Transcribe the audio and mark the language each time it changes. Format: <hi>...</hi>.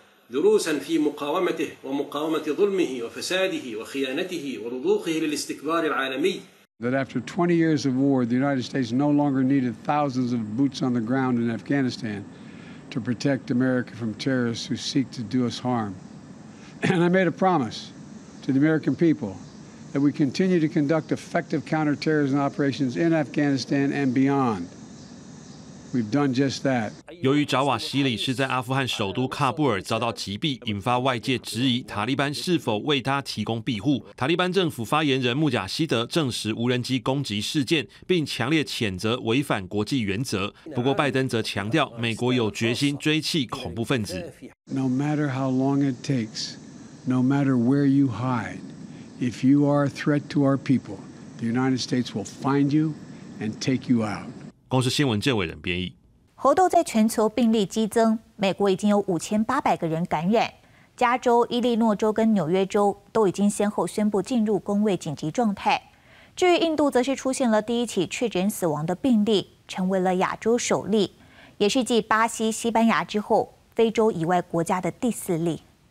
<ar>دروسا في مقاومته ومقاومة ظلمه وفساده وخيانته ورضوخه للاستكبار العالمي.</ar> <en>That after 20 years of war, the United States no longer needed thousands of boots on the ground in Afghanistan to protect America from terrorists who seek to do us harm. And I made a promise to the American people that we continue to conduct effective counterterrorism operations in Afghanistan and beyond. We've done just that.</en> <zh>由于扎瓦希里是在阿富汗首都喀布尔遭到击毙，引发外界质疑塔利班是否为他提供庇护。塔利班政府发言人穆贾希德证实无人机攻击事件，并强烈谴责违反国际原则。不过，拜登则强调，美国有决心追缉恐怖分子。</zh> <en>No matter how long it takes. No matter where you hide, if you are a threat to our people, the United States will find you and take you out.</en> <zh>公视新闻郑伟仁编译。猴痘在全球病例激增，美国已经有5800个人感染，加州、伊利诺州跟纽约州都已经先后宣布进入公卫紧急状态。至于印度则是出现了第一起确诊死亡的病例，成为了亚洲首例，也是继巴西、西班牙之后非洲以外国家的第四例。</zh>